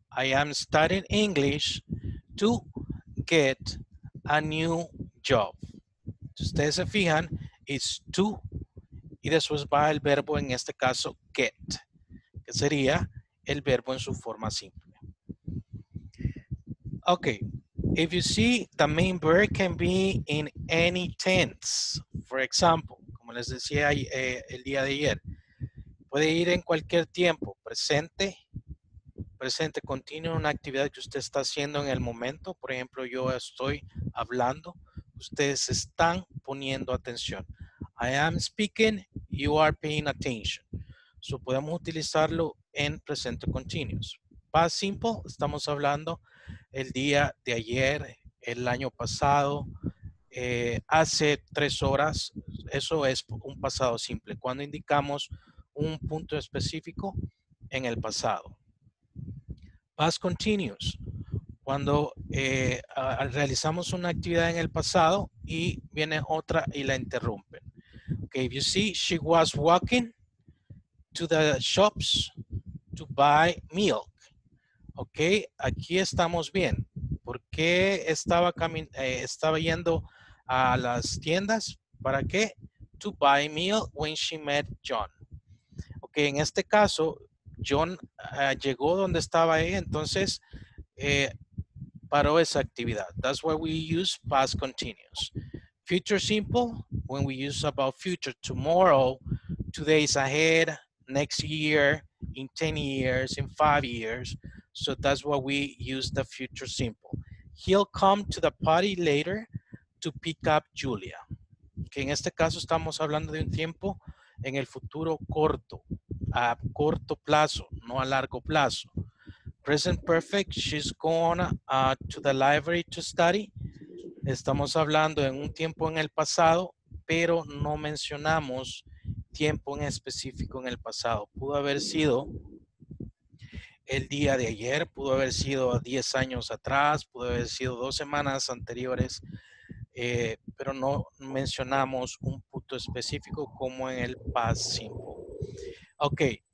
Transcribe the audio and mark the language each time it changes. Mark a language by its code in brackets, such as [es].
[en] I am studying English to get a new job. [es] Si ustedes se fijan, [en] it's to. [es] Y después va el verbo, en este caso, get, que sería el verbo en su forma simple. [en] Okay, if you see, the main verb can be in any tense. For example, [es] como les decía el día de ayer, puede ir en cualquier tiempo, presente continuo, una actividad que usted está haciendo en el momento. Por ejemplo, yo estoy hablando, ustedes están poniendo atención. [en] I am speaking, you are paying attention. So [es] podemos utilizarlo en presente [en] continuous. [es] Past simple, estamos hablando el día de ayer, el año pasado, hace 3 horas. Eso es un pasado simple, cuando indicamos un punto específico en el pasado. Past continuous, cuando realizamos una actividad en el pasado y viene otra y la interrumpen. [en] Okay, if you see, she was walking to the shops to buy milk. [es] Okay, aquí estamos bien. ¿Por qué estaba yendo a las tiendas? ¿Para qué? [en] To buy milk when she met John. [es] Okay, en este caso, John llegó donde estaba ella, entonces paró esa actividad. [en] That's why we use past continuous. Future simple, when we use about future, tomorrow, 2 days ahead, next year, in 10 years, in 5 years. So that's why we use the future simple. He'll come to the party later to pick up Julia. [es] Okay, en este caso estamos hablando de un tiempo en el futuro corto, a corto plazo, no a largo plazo. [en] Present perfect, she's going to the library to study. [es] Estamos hablando en un tiempo en el pasado, pero no mencionamos tiempo en específico en el pasado. Pudo haber sido el día de ayer, pudo haber sido 10 años atrás, pudo haber sido 2 semanas anteriores, pero no mencionamos un punto específico como en el past simple. Okay,